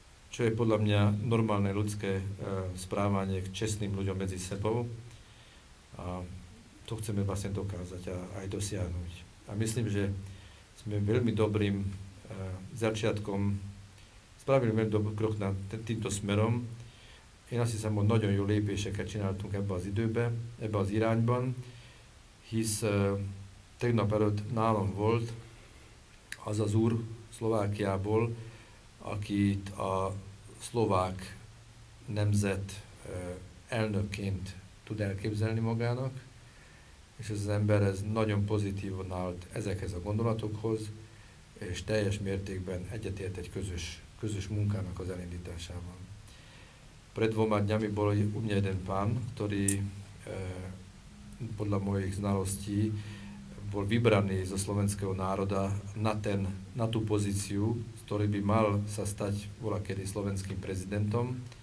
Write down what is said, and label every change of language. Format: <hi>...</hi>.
<sk>Čo je podľa mňa normálne ľudské správanie k čestným ľuďom medzi sebou. A to chceme vlastne dokázať a aj dosiahnuť. A myslím, že sme veľmi dobrým začiatkom, spravili veľmi dobrý krok na týmto smerom.</sk> <hu>Én azt hiszem, hogy nagyon jó lépéseket csináltunk ebbe az időbe, ebbe az irányban, hisz tegnap előtt nálunk volt az az úr Szlovákiából, akit a szlovák nemzet elnökként tud elképzelni magának, és ez az ember ez nagyon pozitívan állt ezekhez a gondolatokhoz, és teljes mértékben egyetért egy közös munkának az elindításával.</hu> <sk>Pred dvoma dňami bol u mňa jeden pán, ktorý podľa mojich znalostí bol vybraný zo slovenského národa na tú pozíciu, ktorý by mal sa stať voľakedy slovenským prezidentom.</sk>